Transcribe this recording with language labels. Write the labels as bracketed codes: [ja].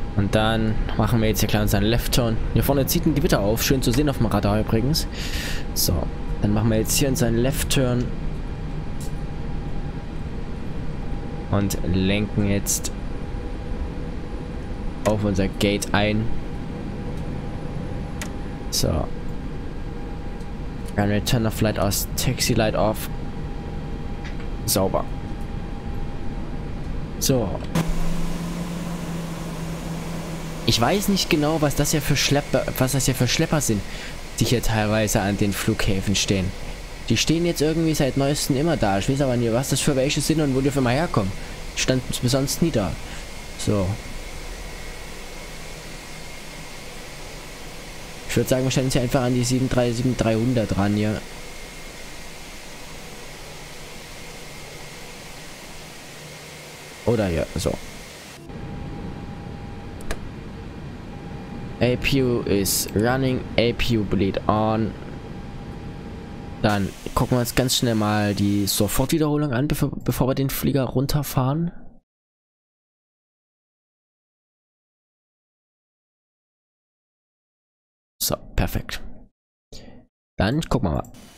[de] Dann machen wir jetzt hier klar unseren Left Turn. Hier vorne zieht ein Gewitter auf. Schön zu sehen auf dem Radar übrigens. So, dann machen wir jetzt hier unseren Left Turn. Und lenken jetzt auf unser Gate ein. So. [en] Runway Turn of Light aus, Taxi Light off. [de] Sauber. So. Ich weiß nicht genau, was das hier für Schlepper sind, die hier teilweise an den Flughäfen stehen. Die stehen jetzt irgendwie seit neuestem immer da. Ich weiß aber nie, was das für welche sind und wo die für mal herkommen. Stand bis sonst nie da. So. Ich würde sagen, wir stellen uns hier einfach an die 737-300 ran hier. Oder ja, so. [en] APU is running, APU bleed on. [de] Dann gucken wir uns ganz schnell mal die Sofortwiederholung an, bevor wir den Flieger runterfahren. So, perfekt. Dann gucken wir mal.